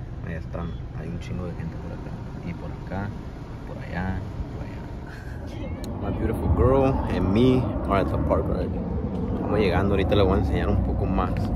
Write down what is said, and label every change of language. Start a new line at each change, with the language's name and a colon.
Spanish: Ahí están, hay un chingo de gente por acá y por acá, por allá, por allá.
English: My beautiful girl and me are at the park already.
Spanish: Estamos llegando, ahorita le voy a enseñar un poco más.